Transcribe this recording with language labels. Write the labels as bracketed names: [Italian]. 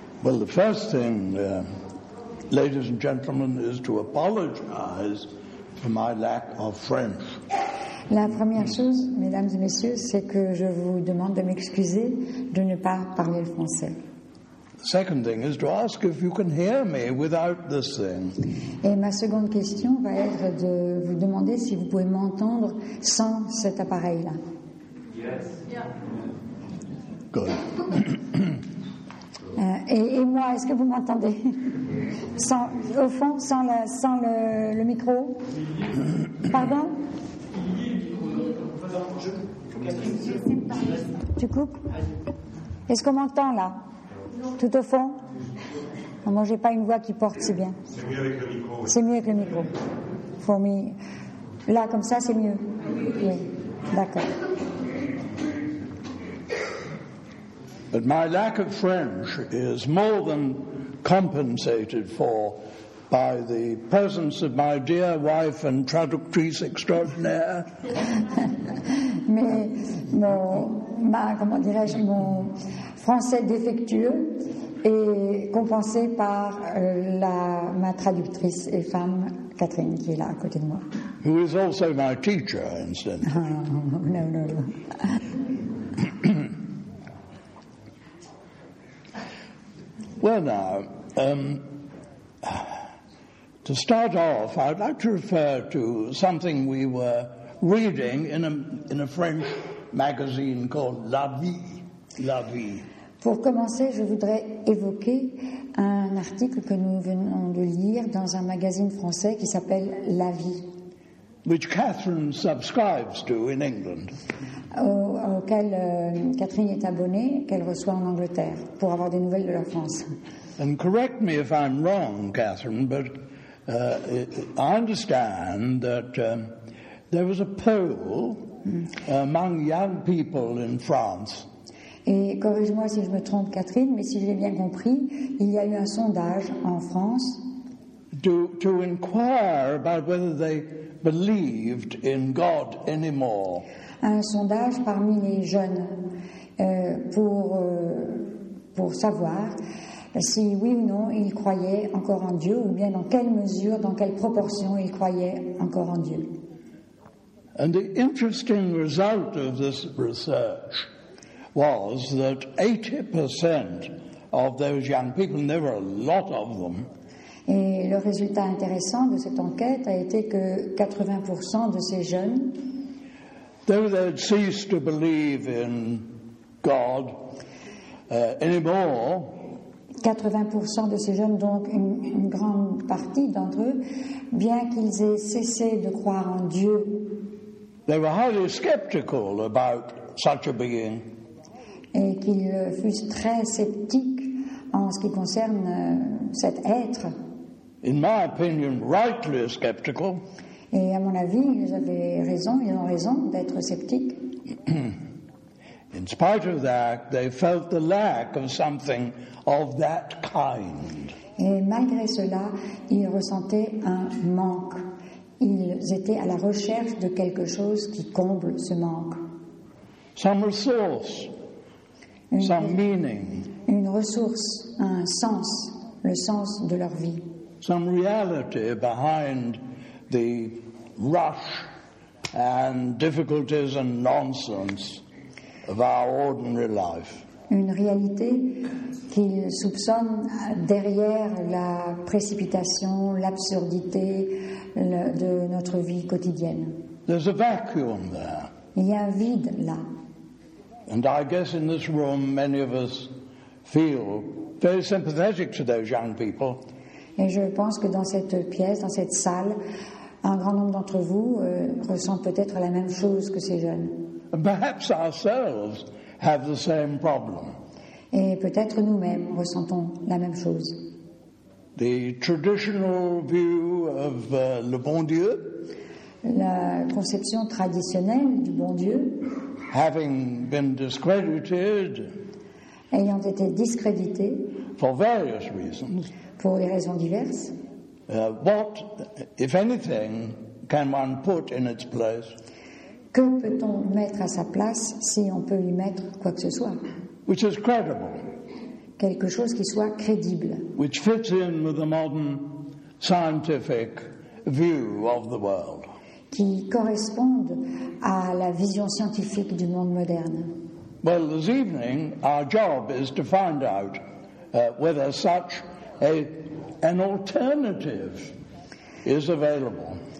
[English] Well, the first thing, ladies and gentlemen, is to apologize for my lack of French. [French] La première chose, mesdames et messieurs, c'est que je vous demande de m'excuser de ne pas parler le français. [English] The second thing is to ask if you can hear me without this thing. [French] Et ma seconde question va être de vous demander si vous pouvez m'entendre sans cet appareil-là. [English] Yes. Good. [French] Et moi, est-ce que vous m'entendez sans, au fond, sans le micro? Pardon? Tu coupes? Est-ce qu'on m'entend là? Tout au fond? Non, moi, j'ai pas une voix qui porte si bien. C'est mieux avec le micro. C'est mieux avec le micro. Là, comme ça, c'est mieux. Oui. D'accord. [English] But my lack of French is more than compensated for by the presence of my dear wife and [French] traductrice extraordinaire. Mais comment dirais-je, mon français défectueux est compensé par ma traductrice et femme Catherine qui est là à côté de moi. [English] Who is also my teacher, incidentally. No. Well now, to start off, I'd like to refer to something we were reading in a French magazine called La Vie. [French] La Vie. Pour commencer, je voudrais évoquer un article que nous venons de lire dans un magazine français qui s'appelle La Vie. [English] Which Catherine subscribes to in England. [French] Auquel Catherine est abonnée, qu'elle reçoit en Angleterre pour avoir des nouvelles de la France. [English] And correct me if I'm wrong, Catherine, but I understand that there was a poll among young people in France. [French] Et corrige-moi si je me trompe, Catherine, mais si j'ai bien compris, il y a eu un sondage en France. [English] To inquire about whether they believed in God anymore. [French] Un sondage parmi les jeunes pour savoir si oui ou non ils croyaient encore en Dieu ou bien dans quelle mesure, dans quelle proportion ils croyaient encore en Dieu. [English] And the interesting result of this research was that 80% of those young people, and there were a lot of them. [French] Et le résultat intéressant de cette enquête a été que 80% de ces jeunes, [English] though they had ceased to believe in God anymore, [French] 80% de ces jeunes, donc une grande partie d'entre eux, bien qu'ils aient cessé de croire en Dieu, [English] they were highly skeptical about such a being, [French] et qu'ils fussent très sceptiques en ce qui concerne cet être. [English] In my opinion, rightly skeptical. [French] Et à mon avis, ils avaient raison, ils ont raison d'être sceptiques. [English] In spite of that, they felt the lack of something of that kind. [French] Et malgré cela, ils ressentaient un manque. Ils étaient à la recherche de quelque chose qui comble ce manque. [English] Some resource. Some meaning. [French] Une ressource, un sens, le sens de leur vie. [English] Some reality behind the rush and difficulties and nonsense of our ordinary life. [French] Une réalité qu'ils soupçonnent derrière la précipitation, l'absurdité de notre vie quotidienne. [English] There's a vacuum there. [French] Il y a un vide là. [English] And I guess in this room many of us feel very sympathetic to those young people. [French] Et je pense que dans cette pièce, dans cette salle, un grand nombre d'entre vous ressentent peut-être la même chose que ces jeunes. [English] Perhaps ourselves have the same problem. [French] Et peut-être nous-mêmes ressentons la même chose. [English] The traditional view of [French] le bon Dieu. La conception traditionnelle du bon Dieu. [English] Having been discredited. [French] Ayant été discrédité. [English] For various reasons. [French] Pour des raisons diverses. [English] What, if anything, can one put in its place? [French] Que peut-on mettre à sa place si on peut y mettre quoi que ce soit? [English] Which is credible. [French] quelque chose qui soit crédible. [English] Which fits in with the modern scientific view of the world. [French] Qui corresponde à la vision scientifique du monde moderne. [English] Well, this evening, our job is to find out whether such an alternative is available.